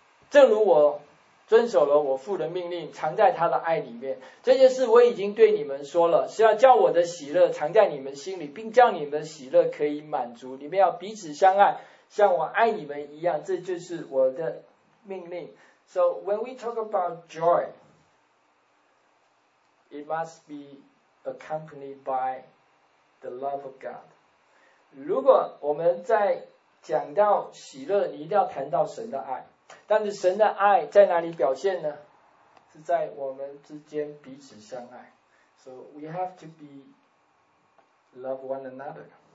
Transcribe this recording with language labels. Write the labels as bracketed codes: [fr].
[zh] 正如我遵守了我父的命令，藏在他的爱里面。这件事我已经对你们说了，是要叫我的喜乐藏在你们心里，并叫你们的喜乐可以满足。你们要彼此相爱，像我爱你们一样，这就是我的命令。 [en] So when we talk about joy, it must be accompanied by the love of God. [zh] 如果我们在讲到喜乐，你一定要谈到神的爱。但是神的爱在哪里表现呢？是在我们之间彼此相爱。 [en] So we have to be love one another.